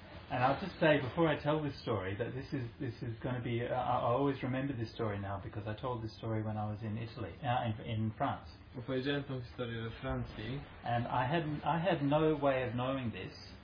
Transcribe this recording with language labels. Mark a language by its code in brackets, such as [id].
[en] And I'll just say before I tell this story that this is going to be I always remember this story now because I told this story when I was in Italy in France. [pl] Opowiedziałem tą historię we Francji. [en] And I had no way of knowing this.